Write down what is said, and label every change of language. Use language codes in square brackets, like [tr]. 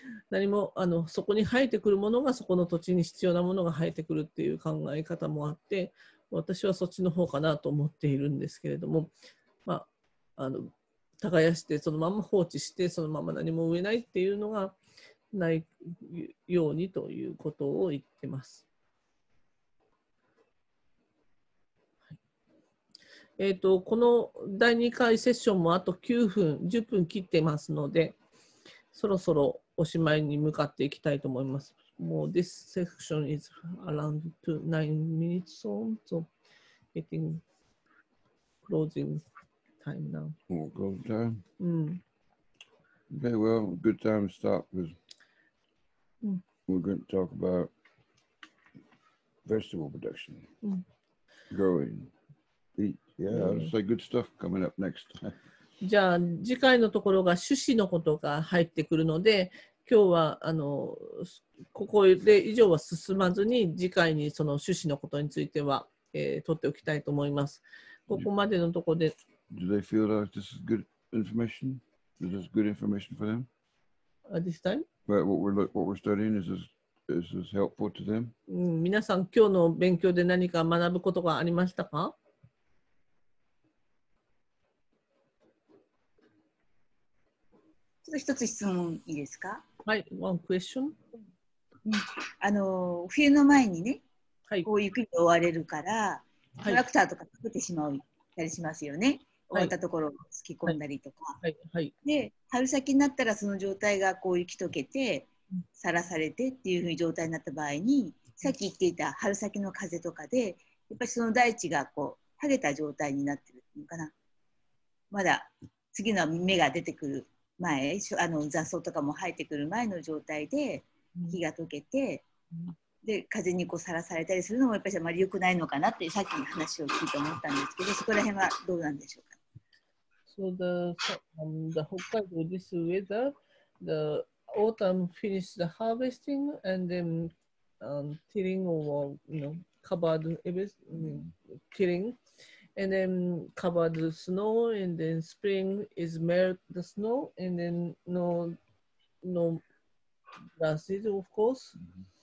[ja] 何もそこに生えてくるものがそこの土地に必要なものが生えてくるっていう考え方もあって私はそっちの方かなと思っているんですけれども、まあ、耕してそのまま放置してそのまま何も植えないっていうのがないようにということを言ってます。この第2回セッションもあと9分、10分切ってますので、そろそろおしまいに向かっていきたいと思います。 [en] more. This section is around 9 minutes, so getting closing time now. More closing time. Okay, well, good time to stop because we're going to talk about vegetable production, growing, eat. Yeah, I'll say good stuff coming up next. [ja] じゃあ次回のところが種子のことが入ってくるので今日はあのここで以上は進まずに次回にその種子のことについては、取っておきたいと思います。ここまでのところで [en] Do they feel like this is good information? Is this good information for them? At this time? But what we're studying, is this helpful to them? [ja] 皆さん今日の勉強で何か学ぶことがありましたか？ちょっと一つ質問いいですか？はい、 [en] one question。 [ja] あの冬の前にね、はい、こう雪に覆われるから、はい、トラクターとかかけてしまったりしますよね。覆ったところをすき込んだりとか、はいはいはい、で春先になったらその状態がこう雪解けてさらされてっていう風に状態になった場合に、さっき言っていた春先の風とかでやっぱりその大地がこう剥げた状態になってるのかな、まだ次の芽が出てくる前、あの雑草とかも生えてくる前の状態で火が溶けて、で風にこうさらされたりするのもやっぱりあまり良くないのかなってさっき話を聞いて思ったんですけど、そこら辺はどうなんでしょうか。 [en] So the Hokkaido, this weather, the autumn finished the harvesting and then tilling or you know covered everything, tilling. And then covered the snow, and then spring is melt the snow, and then no grasses, of course. Mm-hmm.